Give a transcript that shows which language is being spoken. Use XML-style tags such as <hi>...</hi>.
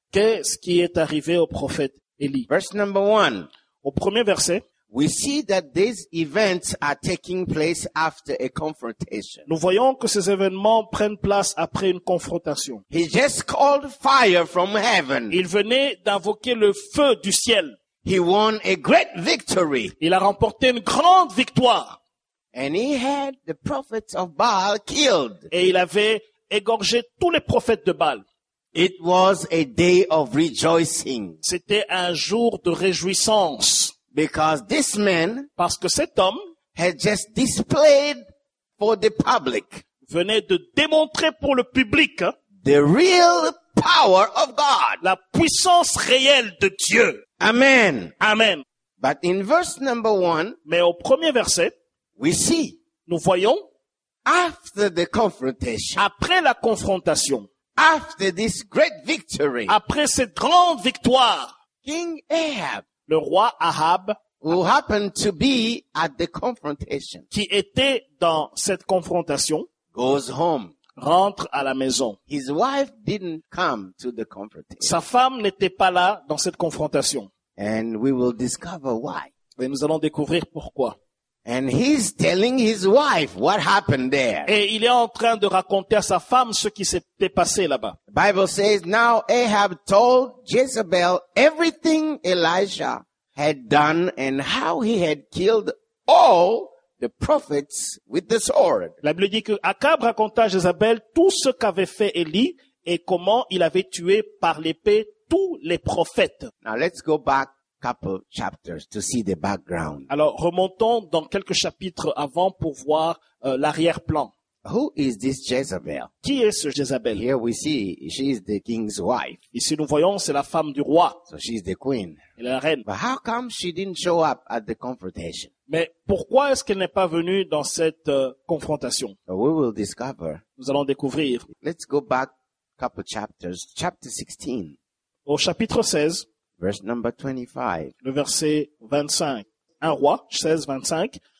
<fr>Qu'est-ce qui est arrivé au prophète Élie.</fr> <en>Verse number one.</en> <fr>Au premier verset.</fr> <en>We see that these events are taking place after a confrontation.</en> <fr>Nous voyons que ces événements prennent place après une confrontation.</fr> <en>He just called fire from heaven.</en> <fr>Il venait d'invoquer le feu du ciel.</fr> <en>He won a great victory.</en> <fr>Il a remporté une grande victoire.</fr> <en>And he had the prophets of Baal killed.</en> <fr>Et il avait égorgé tous les prophètes de Baal.</fr> <en>It was a day of rejoicing.</en> <fr>C'était un jour de réjouissance.</fr> <en>Because this man,</en> <fr>parce que cet homme,</fr> <en>had just displayed for the public,</en> <fr>venait de démontrer pour le public,</fr> <en>the real power of God,</en> <fr>la puissance réelle de Dieu. Amen. Amen.</fr> <en>But in verse number one,</en> <fr>mais au premier verset,</fr> <en>we see,</en> <fr>nous voyons,</fr> <en>after the confrontation,</en> <fr>après la confrontation,</fr> <en>after this great victory,</en> <fr>après cette grande victoire,</fr> <en>King Ahab,</en> <fr>le roi Ahab,</fr> <en>who happened to be at the confrontation,</en> <fr>qui était dans cette confrontation,</fr> <en>goes home.</en> <fr>Rentre à la maison.</fr> <en>His wife didn't come to the confrontation.</en> <fr>Sa femme n'était pas là dans cette confrontation.</fr> <en>And we will discover why.</en> <fr>Et nous allons découvrir pourquoi.</fr> <en>And he's telling his wife what happened there.</en> <fr>Et il est en train de raconter à sa femme ce qui s'était passé là-bas.</fr> <en>The Bible says, now Ahab told Jezebel everything Elijah had done and how he had killed all the prophets with the sword.</en> <fr>La Bible dit que Achab raconta à Jézabel tout ce qu'avait fait Élie et comment il avait tué par l'épée tous les prophètes.</fr> <en>Now let's go back couple chapters to see the background.</en> <fr>Alors remontons dans quelques chapitres avant pour voir l'arrière-plan.</fr> <en>Who is this Jezebel?</en> <fr>Qui est ce Jezebel?</fr> <en>Here we see she is the king's wife.</en> <fr>Ici nous voyons c'est la femme du roi.</fr> <en>So she is the queen.</en> <fr>Elle est la reine.</fr> <en>But how come she didn't show up at the confrontation?</en> <fr>Mais pourquoi est-ce qu'elle n'est pas venue dans cette confrontation?</fr> <en>We will discover.</en> <fr>Nous allons découvrir.</fr> <en>Let's go back couple chapters, chapter 16.</en> <fr>Au chapitre 16. Verse number 25. Le verset 25. Un roi, 16, 25.</fr>